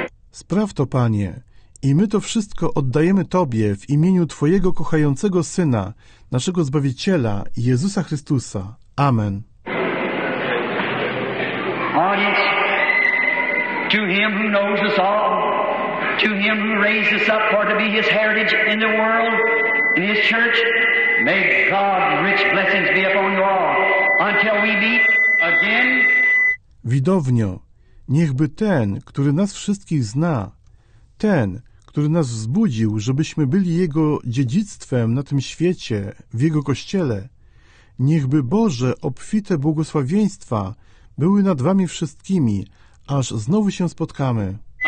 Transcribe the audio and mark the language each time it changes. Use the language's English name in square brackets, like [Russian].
[Polish] Spraw to, Panie, i my to wszystko oddajemy Tobie w imieniu Twojego kochającego Syna, naszego Zbawiciela, Jezusa Chrystusa. Amen. [English] Audience, to Him who knows us all, to Him who raised us up for to be His heritage in the world, in His church, may God's rich blessings be upon you all, until we meet again. [Polish] Widownio, niechby Ten, który nas wszystkich zna, Ten, który nas wzbudził, żebyśmy byli Jego dziedzictwem na tym świecie, w Jego Kościele, niechby Boże obfite błogosławieństwa były nad Wami wszystkimi, aż znowu się spotkamy.